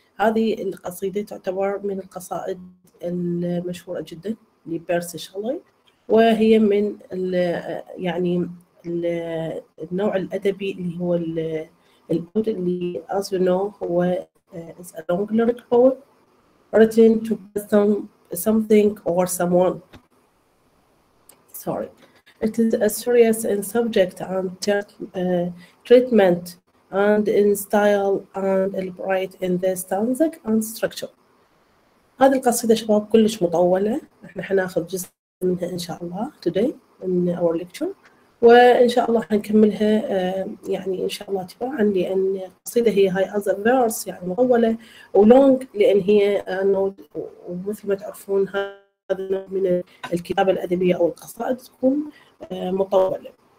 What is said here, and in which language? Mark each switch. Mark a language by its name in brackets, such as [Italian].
[Arabic] هذه القصيدة تعتبر من القصائد المشهورة جدا لبيرسي شلي، وهي من يعني النوع الأدبي اللي هو الأود اللي [English] as you know [Arabic] هو [English] is a long lyric poem written to something or someone. Sorry. It is a serious in subject and treatment and in style and elaborate in the stanza and structure. [Arabic] هذه القصيدة شباب كلش مطولة، احنا حناخذ جزء منها ان شاء الله [English] today in our lecture، [Arabic] وان شاء الله حنكملها يعني ان شاء الله تباعا، لان القصيدة هي هاي [English] as a verse [Arabic] يعني مطولة ولونج، لان هي ومثل ما تعرفون هذا من الكتابة الأدبية او القصائد تكون مطولة.